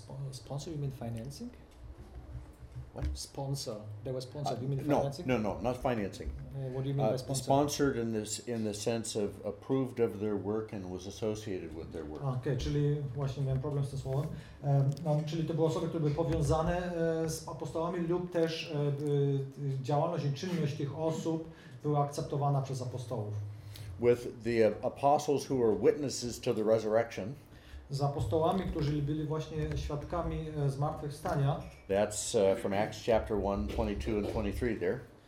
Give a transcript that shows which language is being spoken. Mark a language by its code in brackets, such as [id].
[en] sponsor, you mean financing? Sponsor. They were sponsored. You mean financing? No, not financing. What do you mean by sponsor? Sponsored in the sense of approved of their work and was associated with their work. [pl] Okay, czyli właśnie miałem problem z tym słowem. Czyli to były osoby, które były powiązane z apostołami lub też działalność i czynność tych osób była akceptowana przez apostołów. [en] With the apostles who were witnesses to the resurrection. [pl] Z apostołami, którzy byli właśnie świadkami zmartwychwstania. [en] That's from Acts chapter 1, 22 and 23 there.